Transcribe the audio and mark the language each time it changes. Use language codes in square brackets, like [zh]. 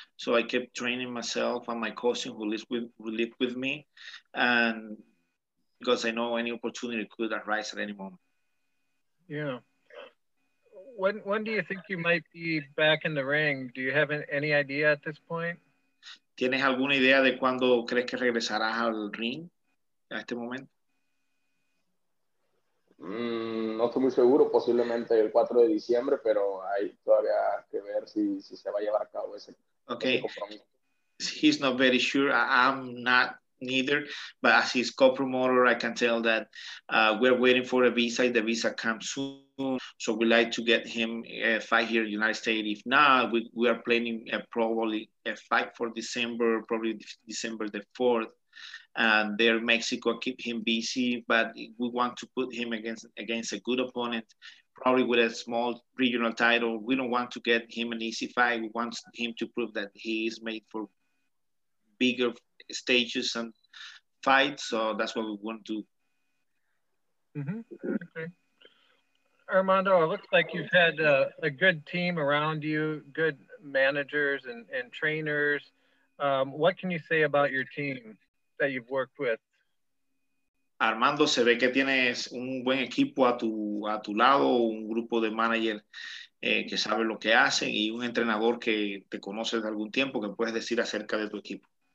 [en] So I kept training myself and my cousin who lived with me, and because I know any opportunity could arise at any moment. Yeah. When do you think you might be back in the ring? Do you have any idea at this point? [es] ¿Tienes alguna idea de cuándo crees que regresarás al ring a este momento? No estoy muy seguro, posiblemente el 4 de diciembre, pero hay todavía que ver si se va a llevar a cabo ese, [en] okay, [es] compromiso. [en] He's not very sure. I'm not neither, but as his co-promoter, I can tell that we're waiting for a visa. The visa comes soon, so we'd like to get him a fight here in the United States. If not, we are planning probably a fight for December, probably December the 4th. And there, Mexico keep him busy, but we want to put him against a good opponent, probably with a small regional title. We don't want to get him an easy fight. We want him to prove that he is made for bigger stages and fights, so that's what we want to do. Mm-hmm. Okay. Armando, it looks like you've had a good team around you, good managers and trainers. What can you say about your team that you've worked with? [es] Armando, se ve que tienes un buen equipo a tu lado, un grupo de managers que sabe lo que hacen, y un entrenador que te conoce de algún tiempo, que puedes decir acerca de tu equipo.